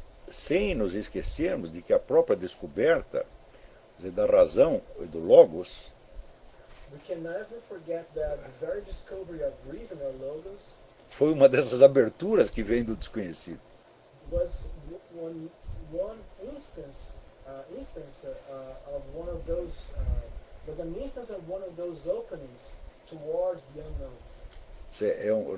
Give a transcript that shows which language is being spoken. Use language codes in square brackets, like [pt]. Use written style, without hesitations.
[pt] Sem nos esquecermos de que a própria descoberta da razão e do logos, [en] we can never forget that the very discovery of reason or logos [pt] foi uma dessas aberturas que vem do desconhecido. [en] Was one instance of one of those openings towards the unknown.